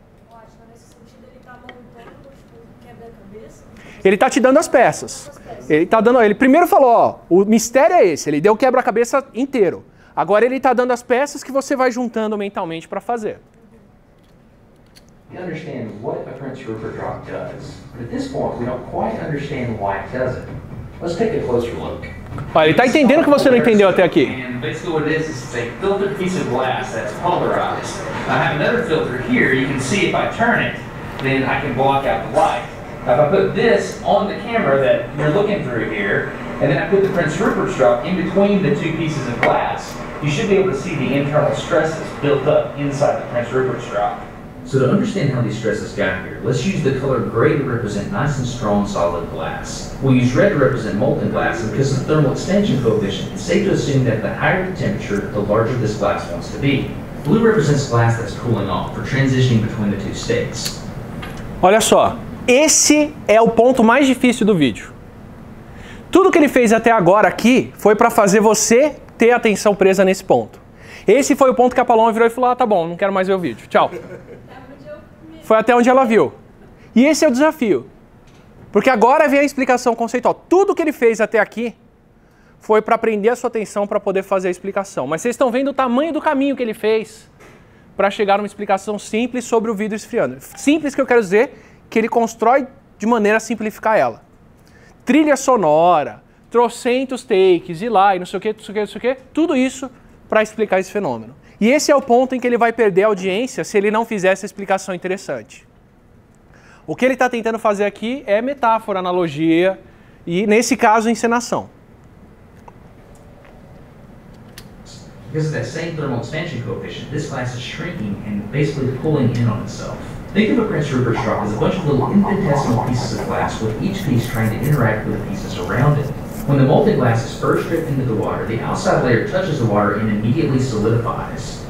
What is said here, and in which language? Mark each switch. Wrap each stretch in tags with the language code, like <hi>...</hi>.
<pt>Eu acho que nesse sentido ele está montando, quebra-cabeça. Ele está te dando as peças. Ele está dando. Ele primeiro falou, ó, o mistério é esse, ele deu o quebra-cabeça inteiro. Agora ele está dando as peças que você vai juntando mentalmente para fazer.</pt> <en>We understand what a Prince Rupert drop does, but at this point we don't quite understand why it does it. Let's take a closer look.</en> <pt>Ah, ele tá entendendo que você não entendeu até aqui.</pt> <en>And basically what it is a filtered piece of glass that's polarized. I have another filter here, you can see if I turn it, then I can block out the light. Now if I put this on the camera that you're looking through here, and then I put the Prince Rupert's drop in between the two pieces of glass, you should be able to see the internal stresses built up inside the Prince Rupert's drop. So to understand how these stresses got here, let's use the color gray to represent nice and strong solid glass. We'll use red to represent molten glass, and because of the thermal expansion coefficient, it's safe to assume that the higher the temperature, the larger this glass wants to be. Blue represents glass that's cooling off, for transitioning between the two states.</en> <pt>Olha só, esse é o ponto mais difícil do vídeo. Tudo que ele fez até agora aqui foi para fazer você ter atenção presa nesse ponto. Esse foi o ponto que a Paloma virou e falou, ah, tá bom, não quero mais ver o vídeo, tchau. Foi até onde ela viu. E esse é o desafio. Porque agora vem a explicação conceitual. Tudo que ele fez até aqui foi para prender a sua atenção para poder fazer a explicação. Mas vocês estão vendo o tamanho do caminho que ele fez para chegar a uma explicação simples sobre o vidro esfriando. Simples que eu quero dizer que ele constrói de maneira a simplificar ela. Trilha sonora, trocentos takes, e lá, e não sei o que, não sei o que, não sei o que, tudo isso para explicar esse fenômeno. E esse é o ponto em que ele vai perder a audiência se ele não fizer essa explicação interessante. O que ele está tentando fazer aqui é metáfora, analogia e, nesse caso, encenação.</pt> <en>Because of that same thermal expansion coefficient, this glass is shrinking and basically pulling in on itself. Think of a Prince Rupert's drop as a bunch of little infinitesimal pieces of glass with each piece trying to interact with the pieces around it. When the molten glass is first dripped into the water, the outside layer touches the water and immediately solidifies.</en>